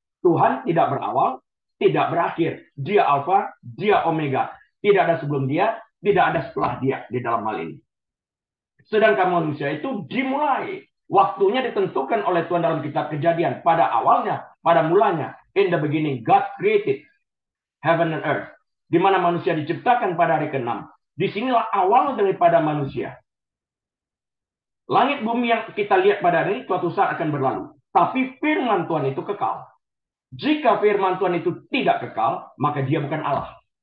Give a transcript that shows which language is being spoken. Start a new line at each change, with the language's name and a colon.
Indonesian: Tuhan tidak berawal, tidak berakhir. Dia Alfa, dia Omega. Tidak ada sebelum dia, tidak ada setelah dia di dalam hal ini. Sedangkan manusia itu dimulai. Waktunya ditentukan oleh Tuhan dalam kitab Kejadian. Pada awalnya, pada mulanya.
English: In the beginning, God created heaven and earth.
Indonesian: Di mana manusia diciptakan pada hari ke-6. Disinilah awal daripada manusia. Langit bumi yang kita lihat pada hari ini suatu saat akan berlalu. Tapi firman Tuhan itu kekal. Jika firman Tuhan itu tidak kekal, maka dia bukan Allah.